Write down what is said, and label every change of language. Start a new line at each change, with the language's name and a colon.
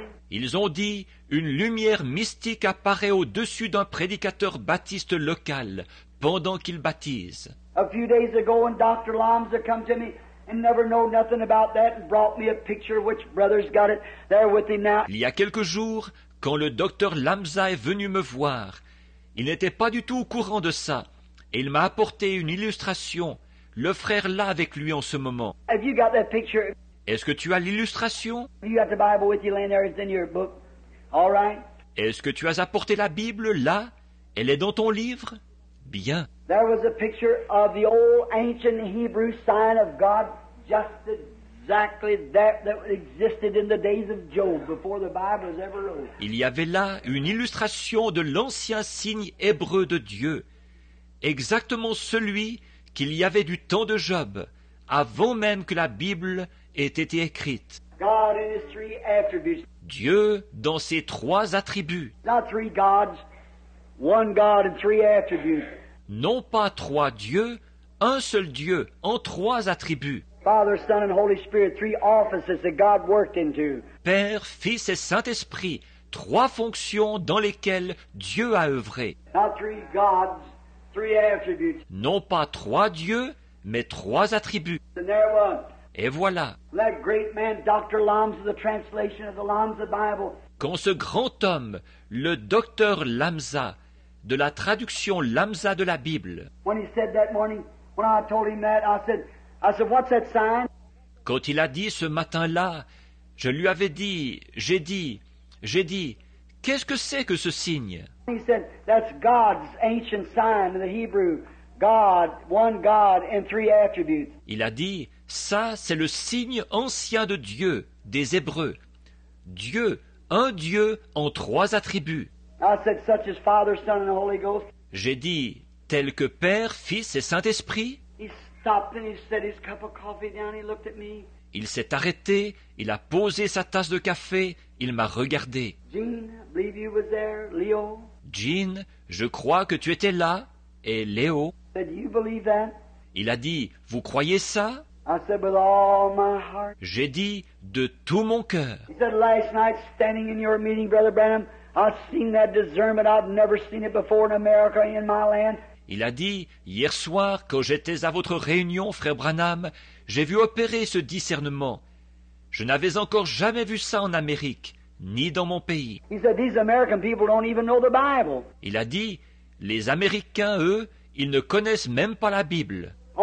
French: Ils ont dit, une lumière mystique apparaît au-dessus d'un prédicateur baptiste local pendant qu'il baptise.
English: A few days ago, when Dr. Lamza came to me and never know nothing about that and brought me a picture which brother's got it there with him now.
French: Il y a quelques jours, quand le Dr. Lamza est venu me voir, il n'était pas du tout au courant de ça. Et il m'a apporté une illustration. Le frère l'a avec lui en ce moment.
English: Have you got that picture?
French: Est-ce que tu as l'illustration?
English: You got the Bible with you laying there, it's in your book. All right.
French: Est-ce que tu as apporté la Bible là? Elle est dans ton livre? Bien.
English: There was a picture of the old ancient Hebrew sign of God, just exactly that existed in the days of Job before the Bible was ever wrote.
French: Il y avait là une illustration de l'ancien signe hébreu de Dieu. Exactement celui qu'il y avait du temps de Job, avant même que la Bible ait été écrite.
English: God in his three attributes.
French: Dieu dans ses trois attributs.
English: Not three gods, one God and three attributes.
French: Non pas trois dieux, un seul Dieu en trois attributs.
English: Father, Son, and Holy Spirit, three offices that God worked into.
French: Père, Fils et Saint-Esprit, trois fonctions dans lesquelles Dieu a œuvré.
English: Not three gods. Three attributes.
French: Non pas trois dieux, mais trois attributs.
English: And there was.
French: Et voilà.
English: That great man, Dr. Lamza, the translation of the Lamza Bible.
French: Quand ce grand homme, le Dr. Lamza, de la traduction Lamza de la Bible.
English: When he said that morning, when I told him that, I said, what's that sign?
French: Quand il a dit ce matin-là, je lui avais dit, j'ai dit, qu'est-ce que c'est que ce signe?
English: He said, "That's God's ancient sign in the Hebrew. God, one God and three attributes."
French: Il a dit, "Ça, c'est le signe ancien de Dieu des Hébreux. Dieu, un Dieu en trois attributs."
English: I said, "Such as Father, Son, and Holy Ghost."
French: J'ai dit, "Tel que Père, Fils et Saint-Esprit."
English: He stopped and he set his cup of coffee down. He looked at me.
French: Il s'est arrêté. Il a posé sa tasse de café. Il m'a regardé.
English: Jean, I believe you was there, Leo.
French: Jean, je crois que tu étais là, et Léo.
English: Said, you believe that?
French: Il a dit, vous croyez ça?
English: I said, with all my heart.
French: J'ai dit, de tout mon cœur.
English: He said, last night, standing in your meeting, Brother Branham, I've seen that discernment, I've never seen it before in America, in my land.
French: Il a dit, hier soir, quand j'étais à votre réunion, Frère Branham, j'ai vu opérer ce discernement. Je n'avais encore jamais vu ça en Amérique, ni dans mon pays.
English: He said, these American people don't even know the Bible.
French: Il a dit, les Américains, eux, ils ne connaissent même pas la Bible.